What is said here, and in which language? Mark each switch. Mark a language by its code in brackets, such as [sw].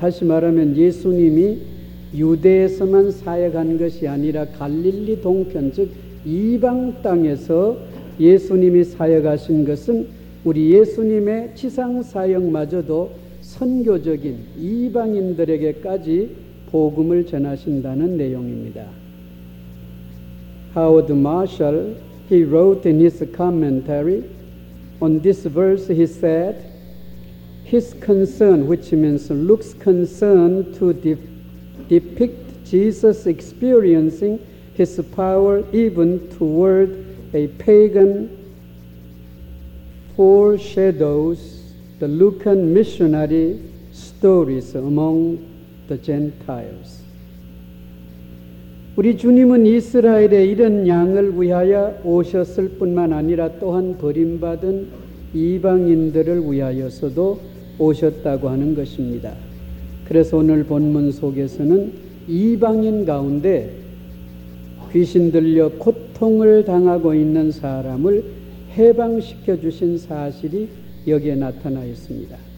[ko] 다시 말하면 예수님이 유대에서만 사역한 것이 아니라 갈릴리 동편, 즉 이방 땅에서 예수님이 사역하신 것은 우리 예수님의 지상사역마저도 선교적인 이방인들에게까지 복음을 전하신다는 내용입니다. [en] Howard Marshall, he wrote in his commentary on this verse, he said, his concern, which means Luke's concern to depict Jesus experiencing his power even toward a pagan foreshadows the Lucan missionary stories among the Gentiles. [ko] 우리 주님은 이스라엘의 이런 양을 위하여 오셨을 뿐만 아니라 또한 버림받은 이방인들을 위하여서도 오셨다고 하는 것입니다. 그래서 오늘 본문 속에서는 이방인 가운데 귀신 들려 고통을 당하고 있는 사람을 해방시켜 주신 사실이 여기에 나타나 있습니다.